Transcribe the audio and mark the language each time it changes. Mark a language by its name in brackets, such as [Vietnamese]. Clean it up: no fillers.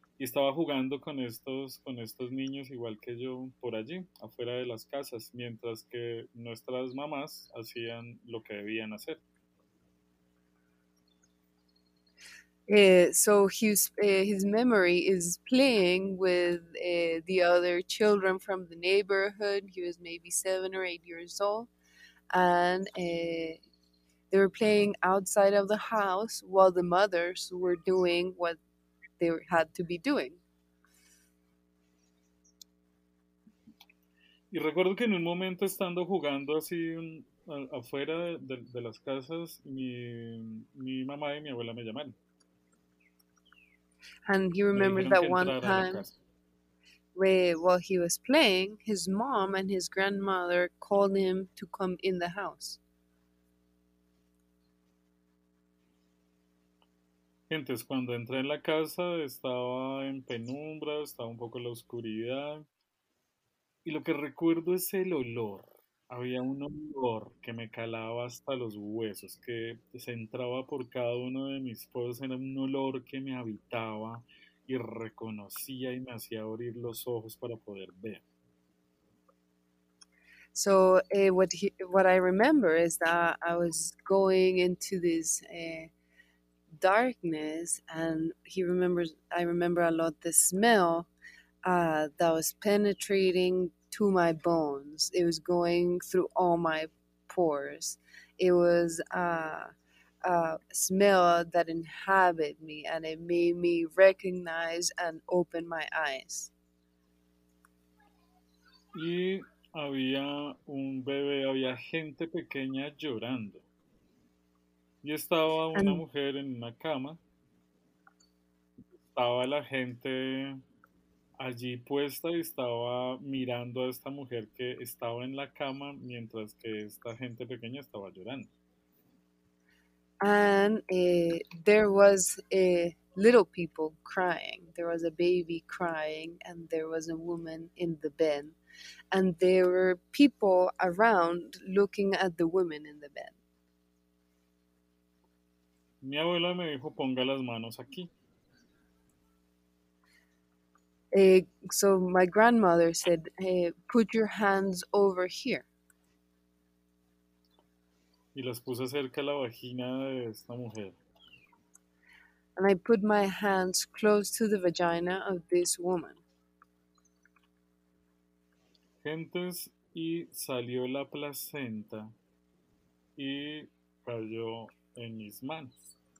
[Spanish] y estaba jugando con estos niños igual que yo por allí, afuera de las casas, mientras que nuestras mamás hacían lo que debían hacer. [English] So his memory is playing with the other children from the neighborhood. He was maybe 7 or 8 years old, and they were playing outside of the house while the mothers were doing what they had to be doing. [Spanish] Y recuerdo que en un momento estando jugando así afuera de las casas, mi mamá y mi abuela me llamaron. [English] And he remembers that one time while he was playing, his mom and his grandmother called him to come in the house. [Spanish] Entonces, cuando entré en la casa, estaba en penumbra, estaba un poco en la oscuridad. Y lo que recuerdo es el olor. Había un olor que me calaba hasta los huesos, que se entraba por cada uno de mis poros. Era un olor que me habitaba y reconocía y me hacía abrir los ojos para poder ver. [English] So what I remember is that I was going into this darkness, and I remember a lot the smell that was penetrating to my bones. It was going through all my pores. It was a smell that inhabited me, and it made me recognize and open my eyes. [Spanish] Y había un bebé, había gente pequeña llorando. Y estaba una mujer en una cama. Estaba la gente allí puesta y estaba mirando a esta mujer que estaba en la cama mientras que esta gente pequeña estaba llorando. [English] And there was a little people crying. There was a baby crying, and there was a woman in the bed. And there were people around looking at the woman in the bed. [Spanish] Mi abuela me dijo, ponga las manos aquí. [English] So my grandmother said, put your hands over here. [Spanish] Y las puse cerca a la vagina de esta mujer. [English] And I put my hands close to the vagina of this woman. [Spanish] Gentes, y salió la placenta y cayó en mis manos.